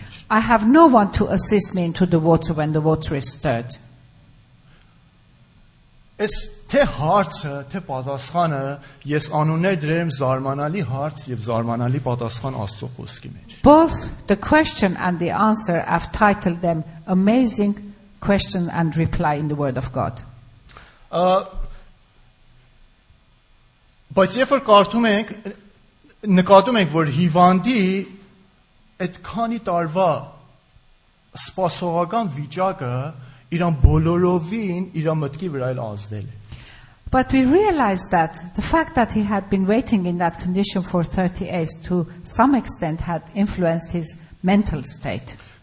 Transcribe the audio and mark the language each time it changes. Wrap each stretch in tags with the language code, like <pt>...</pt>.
<en>I have no one to assist me into the water when the water is stirred.</en> <hy>Ես թե հարցը, թե պատասխանը, ես անուններ դրեմ զարմանալի հարց եւ զարմանալի պատասխան Աստծո խոսքի մեջ։</hy> <en>Both the question and the answer I've titled them amazing question and reply in the word of God.</en> <hy>Բայց երբ կարդում ենք, նկատում ենք, որ հիվանդի այդ քանի տարվա սպասողական վիճակը</hy> <en>But we realize that the fact that he had been waiting in that condition for 30 days to some extent had influenced his mental state.</en>